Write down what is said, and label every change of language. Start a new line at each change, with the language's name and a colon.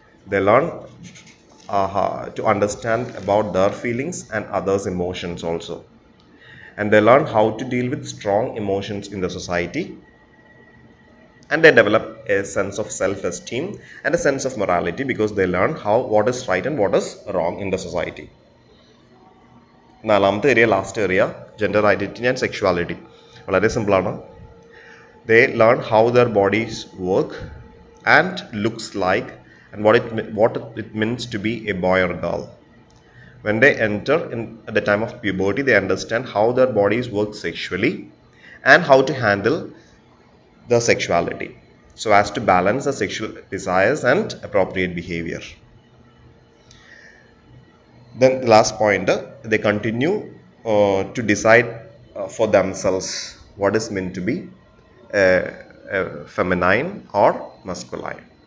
English: They learn to understand about their feelings and others' emotions also, and they learn how to deal with strong emotions in the society. And they develop a sense of self-esteem and a sense of morality because they learn how what is right and what is wrong in the society.
Malayalam: നാലാമത്തെ area,
English: Last area, gender identity and sexuality.
Malayalam: വളരെ സിമ്പിളാണ്.
English: They learn how their bodies work and looks like and what it means to be a boy or girl.
Malayalam: When
English: They enter in the time of puberty, they understand how their bodies work sexually and how to handle the sexuality so as to balance the sexual desires and appropriate behavior. Then the last point, they continue to decide for themselves what is meant to be a feminine or masculine.